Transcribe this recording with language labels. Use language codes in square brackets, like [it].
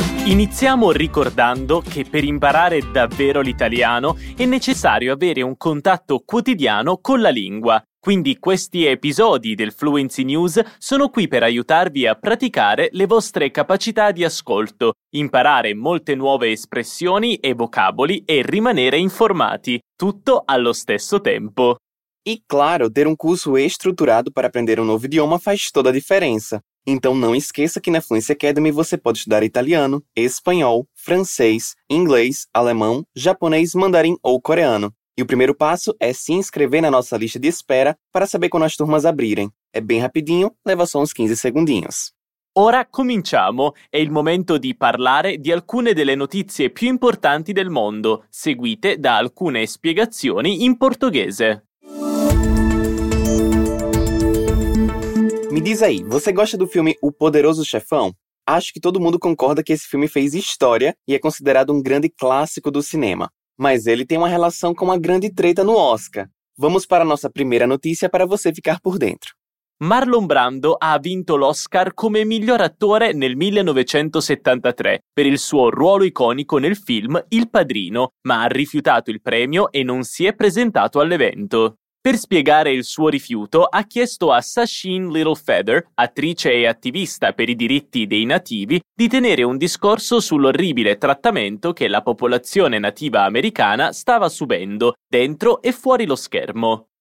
[it] Iniziamo ricordando che per imparare davvero l'italiano è necessario avere un contatto quotidiano con la lingua. Quindi questi episodi del Fluency News sono qui per aiutarvi a praticare le vostre capacità di ascolto, imparare molte nuove espressioni e vocaboli e rimanere informati, tutto allo stesso tempo. [pt] E claro, ter um curso estruturado para aprender um novo idioma faz toda a diferença. Então não esqueça que na Fluency Academy você pode estudar italiano, espanhol, francês, inglês, alemão, japonês, mandarim ou coreano. E o primeiro passo é se inscrever na nossa lista de espera para saber quando as turmas abrirem. É bem rapidinho, leva só uns 15 segundinhos. [it] Ora cominciamo! È il momento di parlare di alcune delle notizie più importanti del mondo, seguite da alcune spiegazioni in portoghese. [pt] Me diz aí, você gosta do filme O Poderoso Chefão? Acho que todo mundo concorda que esse filme fez história e é considerado um grande clássico do cinema. Mas ele tem uma relação com uma grande treta no Oscar. Vamos para a nossa primeira notícia para você ficar por dentro. [it] Marlon Brando ha vinto l'Oscar come miglior attore nel 1973 per il suo ruolo iconico nel film Il Padrino, ma ha rifiutato il premio e non si è presentato all'evento. Per spiegare il suo rifiuto, ha chiesto a Sasheen Little Feather, attrice e attivista per i diritti dei nativi, di tenere un discorso sull'orribile trattamento che la popolazione nativa americana stava subendo, dentro e fuori lo schermo.